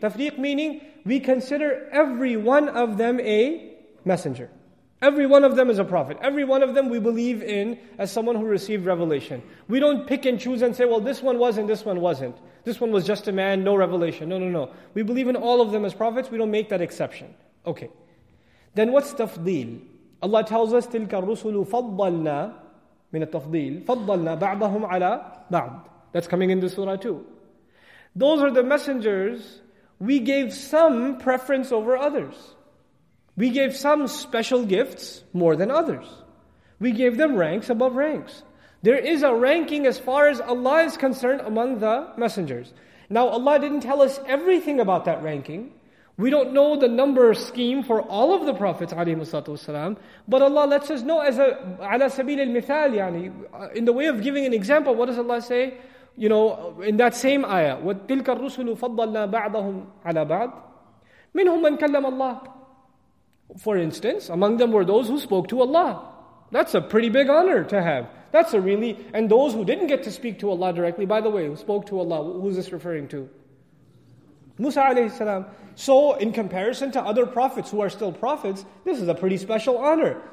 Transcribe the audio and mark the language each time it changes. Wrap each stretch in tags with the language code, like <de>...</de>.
<en>Tafriq meaning we consider every one of them a messenger. Every one of them is a prophet. Every one of them we believe in as someone who received revelation. We don't pick and choose and say, well, this one was and this one wasn't. This one was just a man, no revelation. No. We believe in all of them as prophets. We don't make that exception. Okay. Then what's tafdeel? Allah tells us,</en> <ar>تِلْكَ الرُّسُلُ فَضَّلْنَا مِنَ التَّفْضِيلِ فَضَّلْنَا بَعْضَهُمْ عَلَى بَعْضٍ.</ar> <en>That's coming in the surah too. Those are the messengers we gave some preference over others. We gave some special gifts more than others. We gave them ranks above ranks. There is a ranking as far as Allah is concerned among the messengers. Now Allah didn't tell us everything about that ranking. We don't know the number scheme for all of the prophets</en> <ar>عليهم الصلاة والسلام,</ar> <en>but Allah lets us know as a</en> <ar>على سبيل المثال, يعني,</ar> <en>in the way of giving an example, what does Allah say? You know, in that same ayah,</en> <ar>وَتِلْكَ الرُّسُلُ فَضَّلْنَا بَعْضَهُمْ عَلَى بَعْضٍ مِنْهُمْ مَنْ كَلَّمَ اللَّهِ.</ar> <en>For instance, among them were those who spoke to Allah. That's a pretty big honor to have. That's a really... And those who didn't get to speak to Allah directly, by the way, who spoke to Allah, who's this referring to? Musa alayhi salam. So in comparison to other prophets who are still prophets, this is a pretty special honor.</en>